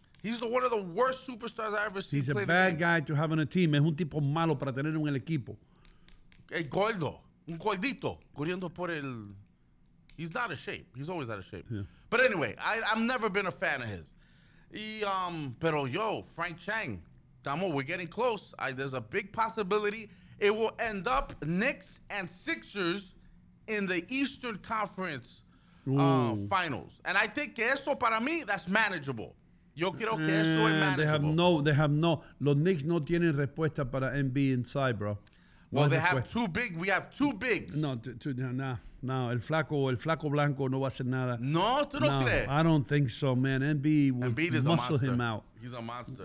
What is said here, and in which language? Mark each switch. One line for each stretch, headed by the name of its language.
English: He's one of the worst superstars I've ever seen. He's a bad guy to have on a team.
Spanish: Es un tipo malo para tener en el equipo. El gordo. Un cuadrito corriendo por el.
English: He's not in shape. He's always out of shape. Yeah. But anyway, I've never been a fan of his.
Spanish: Y, pero yo,
English: Frank Chang, Tamo, we're getting close. There's a big possibility it will end up Knicks and Sixers in the Eastern Conference finals. And I think
Spanish: que eso para mí,
English: that's manageable.
Spanish: Yo creo que eso es manageable.
English: They have no.
Spanish: Los Knicks no tienen respuesta para Embiid inside, bro.
English: Well, they have two big. We have two bigs. No.
Spanish: El flaco blanco no va a hacer nada. No, tú no crees.
English: I don't think so, man. Embiid is muscle him out. He's a monster.